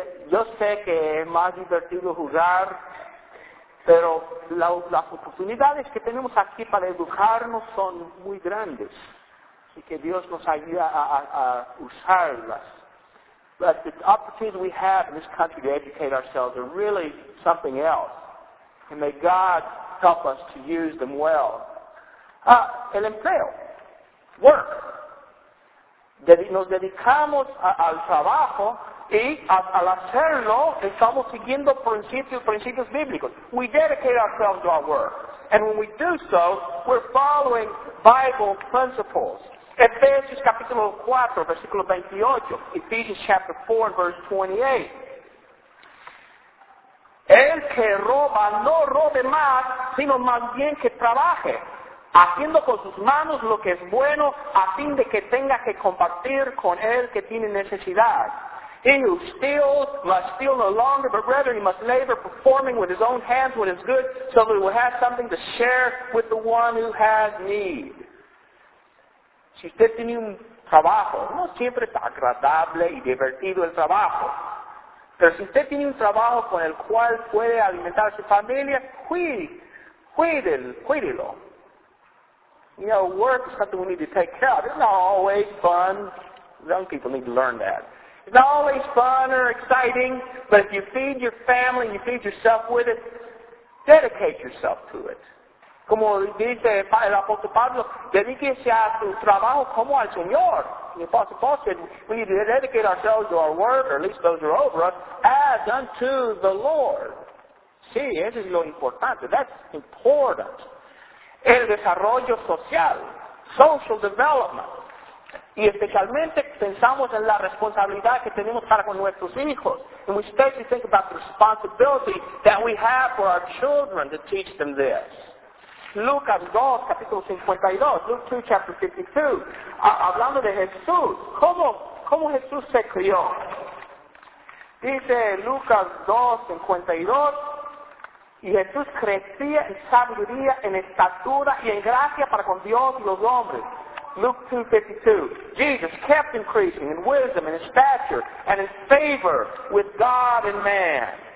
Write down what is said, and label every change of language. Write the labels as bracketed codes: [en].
[es] Yo sé que es más divertido jugar, pero las oportunidades que tenemos aquí para educarnos son muy grandes. Y que Dios nos ayude a usarlas. [en] But the opportunities we have in this country to educate ourselves are really something else. And may God help us to use them well. [es] El empleo. Work. Nos dedicamos al trabajo y al hacerlo estamos siguiendo principios bíblicos. [en] We dedicate ourselves to our work. And when we do so, we're following Bible principles. [es] Ephesians capítulo 4, versículo 28. [en] Ephesians chapter 4, verse 28. [es] El que roba no robe más, sino más bien que trabaje, haciendo con sus manos lo que es bueno, a fin de que tenga que compartir con el que tiene necesidad. [en] He who steals must steal no longer, but rather he must labor, performing with his own hands what is good, so that he will have something to share with the one who has need. [es] Si usted tiene un trabajo, no siempre es agradable y divertido el trabajo. Pero si usted tiene un trabajo con el cual puede alimentar a su familia, cuídelo. [en] you know, work is something we need to take care of. It's not always fun. Young people need to learn that. It's not always fun or exciting, but if you feed your family, you feed yourself with it, dedicate yourself to it. [es] Como dice el apóstol Pablo, dedíquese a su trabajo como al Señor. [en] The apostle Paul said, we need to dedicate ourselves to our work, or at least those who are over us, as unto the Lord. [es] Sí, eso es lo importante. [en] That's important. [es] El desarrollo social, [en] social development. [es] Y especialmente pensamos en la responsabilidad que tenemos para con nuestros hijos. [en] And we especially think about the responsibility that we have for our children to teach them this. [es] Lucas 2, capítulo 52. [en] Luke 2, chapter 52. [es] Hablando de Jesús. ¿Cómo Jesús se crió? Dice Lucas 2, 52. Y Jesús crecía en sabiduría, en estatura y en gracia para con Dios y los hombres. [en] Luke 2:52. Jesus kept increasing in wisdom and in stature and in favor with God and man.